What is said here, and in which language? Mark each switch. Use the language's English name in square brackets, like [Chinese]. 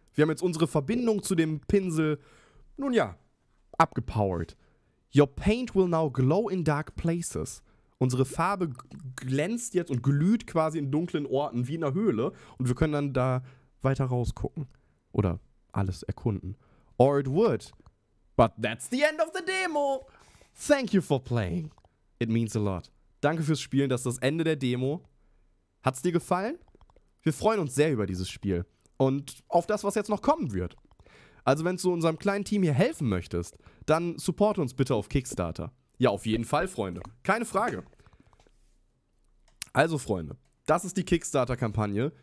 [German] Wir haben jetzt unsere Verbindung zu dem Pinsel, nun ja, abgepowered. [English] Your paint will now glow in dark places. [German] Unsere Farbe glänzt jetzt und glüht quasi in dunklen Orten wie in einer Höhle. Und wir können dann da weiter rausgucken. Oder alles erkunden. [English] Or it would. But that's the end of the demo. Thank you for playing. It means a lot. [German] Danke fürs Spielen, das ist das Ende der Demo. Hat's dir gefallen? Wir freuen uns sehr über dieses Spiel und auf das, was jetzt noch kommen wird. Also wenn du unserem kleinen Team hier helfen möchtest, dann support uns bitte auf Kickstarter. Ja, auf jeden Fall, Freunde. Keine Frage. Also, Freunde, das ist die Kickstarter-Kampagne.